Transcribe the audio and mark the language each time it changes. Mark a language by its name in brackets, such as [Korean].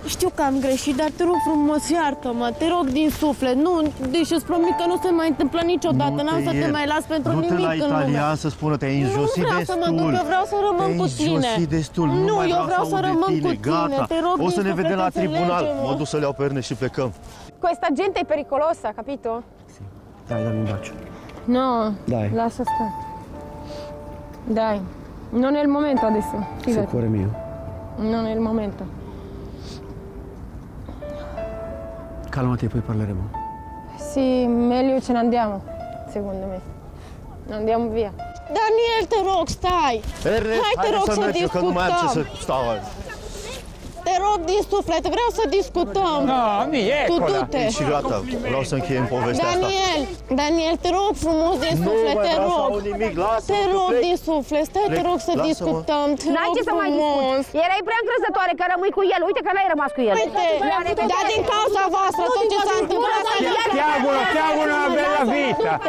[Romanian] Știu că am greșit, dar te rog frumos, iartă-mă, te rog din suflet. Nu, deci îți promit că nu se mai întâmplă niciodată, n-am să te mai las pentru nimic în lume. Du-te la italian să spună, te-ai înjosit destul. Nu vreau să mă duc, vreau să rămân cu tine. Te-ai înjosit destul, nu mai vreau să rămân cu tine, gata. Te rog din suflet, o să ne vedem la tribunal, mă duc să le iau perne și plecăm. [Italian] Questa gente e pericolosa, capito? Sì, dai, dammi un bacio. No, dai. Lascia stare. Dai, non è il momento adesso. Sei cuore mio. Non è il momento. Calmati e poi parleremo. Sì, meglio ce ne andiamo, secondo me. Andiamo via. [Romanian] Daniel, te rog, stai. Hai, te rog, să discutăm. Te rog din suflet, vreau să discutăm. No, mi e cu toate. Și gata, vreau să încheiem povestea Daniel, asta. Daniel, te rog frumos din suflet, nu, te rog. Nimic, te rog din suflet, stai, te rog să discutăm. N-ai ce să mai discut. Erai prea încrezătoare că rămâi cu el. Uite că n-ai rămas cu el. Da, din cauza voastră, tot ce s-a întâmplat. [Italian] Chiavola, una bella vita.